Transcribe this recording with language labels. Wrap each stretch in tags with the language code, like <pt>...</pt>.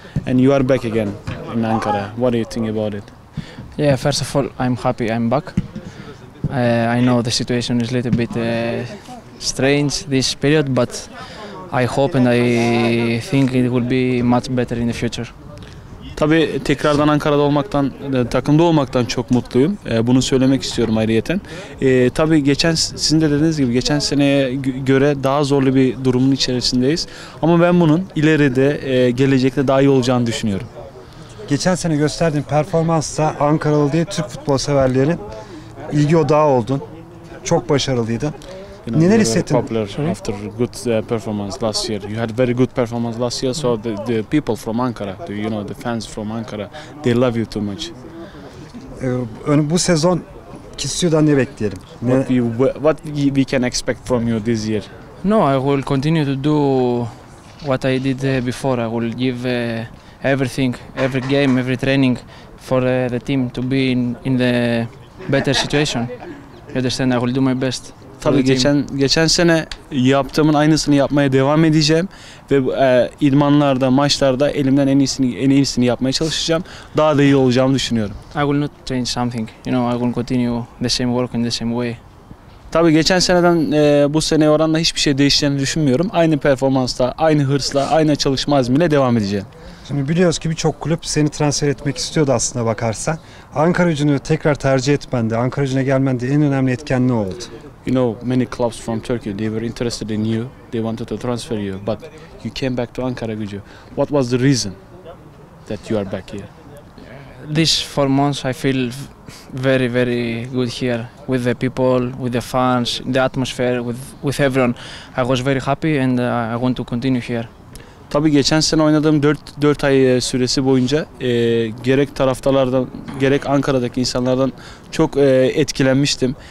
<en>And you are back again in Ankara. What do you think about it? Yeah, first of all, I'm happy I'm back. I know the situation is a little bit strange this period, but I hope and I think it will be much better in the future.</en> <tr>Tabii tekrardan Ankara'da olmaktan, takımda olmaktan çok mutluyum. Bunu söylemek istiyorum ayrıyeten. Tabii geçen, sizin de dediğiniz gibi geçen seneye göre daha zorlu bir durumun içerisindeyiz. Ama ben bunun ileride, gelecekte daha iyi olacağını düşünüyorum. Geçen sene gösterdiğin performansla Ankaralı diye Türk futbol severlerin ilgi odağı oldun. Çok başarılıydın.</tr> <en>You know,</en> <tr>neler hissettin?</tr> <en>Popular after good performance last year. You had very good performance last year, so the people from Ankara, the fans from Ankara, they love you too much.</en> <tr>Bu sezon Kisiyo'dan ne bekleyelim?</tr> <en>What we can expect from you this year? No, I will continue to do what I did before. I will give everything, every game, every training for the team to be in the better situation. You understand? I will do my best.</en> <tr>Tabii geçen sene yaptığımın aynısını yapmaya devam edeceğim ve idmanlarda, maçlarda elimden en iyisini yapmaya çalışacağım. Daha da iyi olacağımı düşünüyorum.</tr> <en>I will not change something. You know, I will continue the same work in the same way.</en> <tr>Tabii geçen seneden bu seneye oranla hiçbir şey değişeceğini düşünmüyorum. Aynı performansla, aynı hırsla, aynı çalışma azmiyle devam edeceğim. Şimdi biliyoruz ki birçok kulüp seni transfer etmek istiyordu aslında bakarsan. Ankaragücü'nü tekrar tercih etmen de, Ankaragücü'ne gelmen de en önemli etken ne oldu?</tr> <en>You know, many clubs from Turkey, they were interested in you. They wanted to transfer you, but you came back to Ankaragücü. What was the reason that you are back here? These 4 months, I feel very, very good here with the people, with the fans, the atmosphere, with everyone. I was very happy and I want to continue here.</en> <tr>Tabii geçen sene oynadığım 4 ay süresi boyunca gerek taraftarlardan gerek Ankara'daki insanlardan çok etkilenmiştim.</tr>